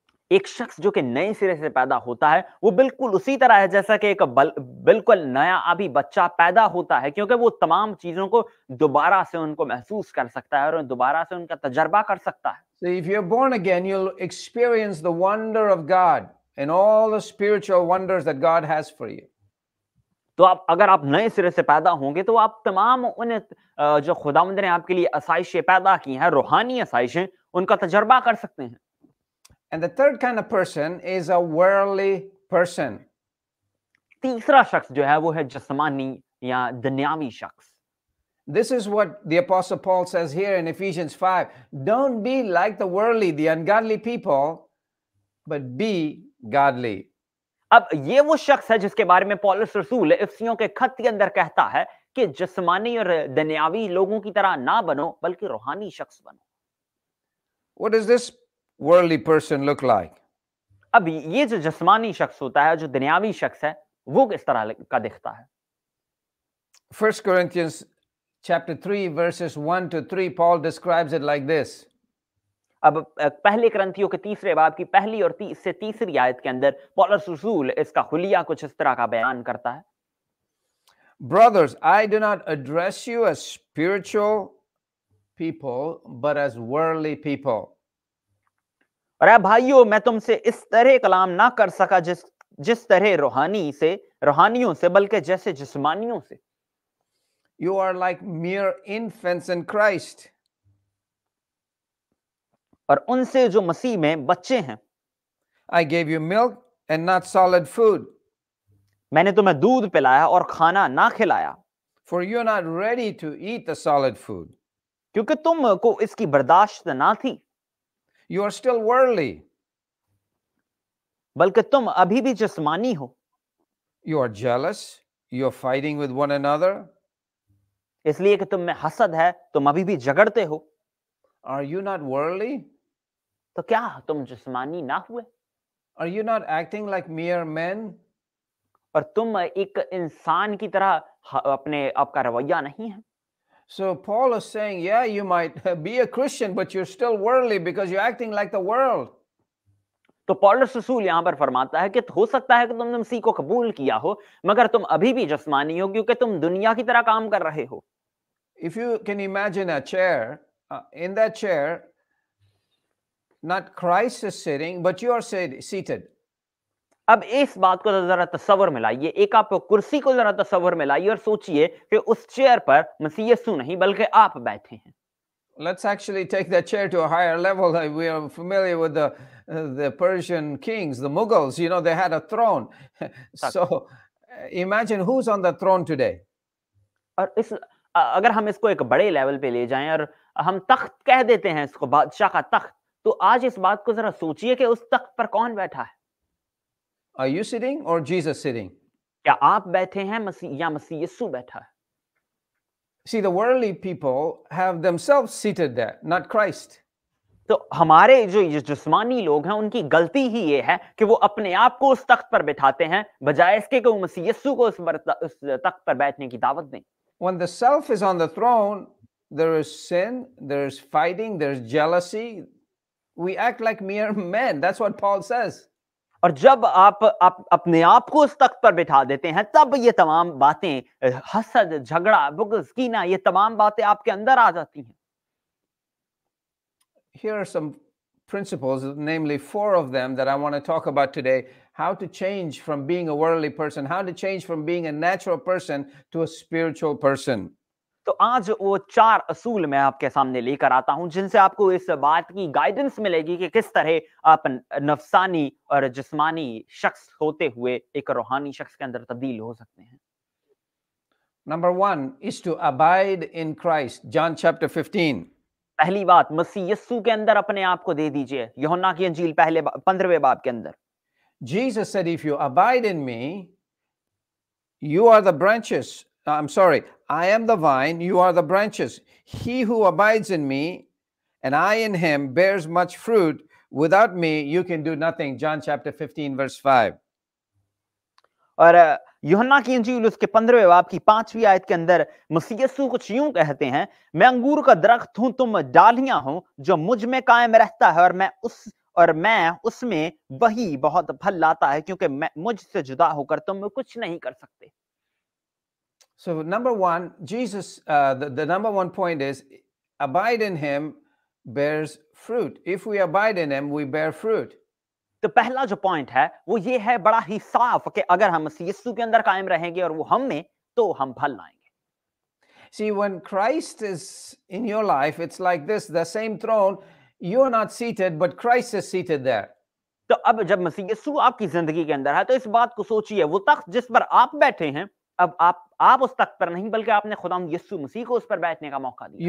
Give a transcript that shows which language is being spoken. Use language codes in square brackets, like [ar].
[ur] ایک شخص جو کہ نئے سرے سے پیدا ہوتا ہے وہ بالکل اسی طرح ہے جیسا کہ ایک بالکل نیا ابھی بچہ پیدا ہوتا ہے کیونکہ وہ تمام چیزوں کو دوبارہ سے ان کو محسوس کر سکتا ہے اور دوبارہ سے ان کا تجربہ کر سکتا ہے [en] So if you're born again you'll experience the wonder of God and all the spiritual wonders that God has for you [ur] تو آپ اگر آپ نئے سرے سے پیدا ہوں گے تو آپ تمام ان جو خداوند نے آپ کے لیے آسائشیں پیدا کی ہیں روحانی آسائشیں ان کا تجربہ کر سکتے ہیں [en] And the third kind of person is a worldly person. person. [ur] تیسرا شخص جو ہے وہ ہے جسمانی یا دنیاوی شخص. [en] This is what the Apostle Paul says here in Ephesians 5. Don't be like the worldly, the ungodly people, but be godly. [ur] اب یہ وہ شخص ہے جس کے بارے میں پولس رسول افسیوں کے خط کے اندر کہتا ہے کہ جسمانی اور دنیاوی لوگوں کی طرح نہ بنو بلکہ روحانی شخص بنو. [en] What does this worldly person look like? [ur] اب یہ جو جسمانی شخص ہوتا ہے جو دنیاوی شخص ہے وہ کس طرح کا دکھتا ہے؟ [en] 1 Corinthians chapter 3 verses 1 to 3 Paul describes it like this. [ur] اب پہلے کرنتھیوں کے تیسرے باب کی پہلی اور اس سے تیسری آیت کے اندر پولس رسول اس کا خلیہ کچھ اس طرح کا بیان کرتا ہے. [en] Brothers, I do not address you as spiritual people, but as worldly people. [ur] اور اے بھائیو میں تم سے اس طرح کلام نہ کر سکا جس طرح روحانیوں سے بلکہ جیسے جسمانیوں سے. [en] You are like mere infants in Christ. [ur] اور ان سے جو مسیح میں بچے ہیں. [en] I gave you milk and not solid food. [ur] میں نے تمہیں دودھ پلایا اور کھانا نہ کھلایا. [en] For you are not ready to eat the solid food. [ur] کیونکہ تم کو اس کی برداشت نہ تھی. [en] You are still worldly. [ur] بلکہ تم ابھی بھی جسمانی ہو. [en] You are jealous. You are fighting with one another. [ur] اس لیے کہ تم میں حسد ہے تم ابھی بھی جھگڑتے ہو. [en] Are you not worldly? [ur] تو کیا تم جسمانی نہ ہوئے؟ [en] Are you not acting like mere men? [ur] اور تم ایک انسان کی طرح اپنے آپ کا رویہ نہیں ہے؟ [en] So Paul is saying, yeah, you might be a Christian, but you're still worldly because you're acting like the world. [ur] تو پولس رسول یہاں پر فرماتا ہے کہ ہو سکتا ہے کہ تم نے مسیح کو قبول کیا ہو مگر تم ابھی بھی جسمانی ہو کیونکہ تم دنیا کی طرح کام کر رہے ہو. [en] If you can imagine a chair, in that chair, not Christ is sitting, but you are seated. [ur] اب اس بات کو ذرا تصور میں لائیے, ایک آپ کرسی کو ذرا تصور میں لائیے اور سوچئے کہ اس چیئر پر مسیح یسوع نہیں بلکہ آپ بیٹھے ہیں. [en] Let's actually take that chair to a higher level. We are familiar with the Persian kings, the Mughals, you know, they had a throne. So imagine who's on the throne today. [ur] اور اس اگر ہم اس کو ایک بڑے level پہ لے جائیں اور ہم تخت کہہ دیتے ہیں اس کو, بادشاہ کا تخت, تو آج اس بات کو ذرا سوچئے کہ اس تخت پر کون بیٹھا ہے. [en] Are you sitting or Jesus sitting? [ur] کیا آپ بیٹھے ہیں یا مسیح یسوع بیٹھا ہے؟ [en] See, the worldly people have themselves seated there, not Christ. [ur] تو ہمارے جو جسمانی لوگ ہیں ان کی غلطی ہی یہ ہے کہ وہ اپنے آپ کو اس تخت پر بٹھاتے ہیں بجائے اس کے کہ وہ مسیح یسوع کو اس تخت پر بیٹھنے کی دعوت دیں. [en] When the self is on the throne, there is sin, there is fighting, there is jealousy. We act like mere men. That's what Paul says. [ur] اور جب آپ اپنے آپ کو اس تخت پر بٹھا دیتے ہیں تب یہ تمام باتیں, حسد, جھگڑا, بغض, کینہ, یہ تمام باتیں آپ کے اندر آ جاتی ہیں. [en] Here are some principles, namely four of them, that I want to talk about today. How to change from being a worldly person, how to change from being a natural person to a spiritual person. [ur] تو آج وہ چار اصول میں آپ کے سامنے لے کر آتا ہوں جن سے آپ کو اس بات کی گائیڈنس ملے گی کہ کس طرح آپ نفسانی اور جسمانی شخص ہوتے ہوئے ایک روحانی شخص کے اندر تبدیل ہو سکتے ہیں. [en] Number one is to abide in Christ, John chapter 15. [ur] پہلی بات, مسیح یسوع کے اندر اپنے آپ کو دے دیجئے, یوحنا کی انجیل پہلے 15th باب کے اندر. [en] Jesus said, if you abide in me, you are the branches. I am the vine, you are the branches. He who abides in me and I in him bears much fruit. Without me, you can do nothing. John chapter 15, verse 5. [ur] اور یوحنا کی انجیل اس کے 15th باب کی 5th آیت کے اندر مسیح یسوع کچھ یوں کہتے ہیں, میں انگور کا درخت ہوں, تم ڈالیاں ہوں, جو مجھ میں قائم رہتا ہے اور میں اس میں وہی بہت پھل لاتا ہے, کیونکہ میں مجھ سے جدا ہو کر تم کچھ نہیں کر سکتے. [en] So number one, Jesus, the number one point is, abide in him bears fruit. If we abide in him, we bear fruit. [ur] تو پہلا جو پوائنٹ ہے وہ یہ ہے بڑا ہی صاف کہ اگر ہم مسیح یسوع کے اندر قائم رہیں گے اور وہ ہم میں تو ہم پھل لائیں گے. [en] See, when Christ is in your life, it's like this, the same throne, you are not seated, but Christ is seated there. [ur] تو اب جب مسیح یسوع آپ کی زندگی کے اندر ہے تو اس بات کو سوچئے, وہ تخت جس پر آپ بیٹھے ہیں اب آپ اس تخت پر نہیں بلکہ آپ نے خدا یسوع مسیح کو اس پر بیٹھنے کا موقع دیا.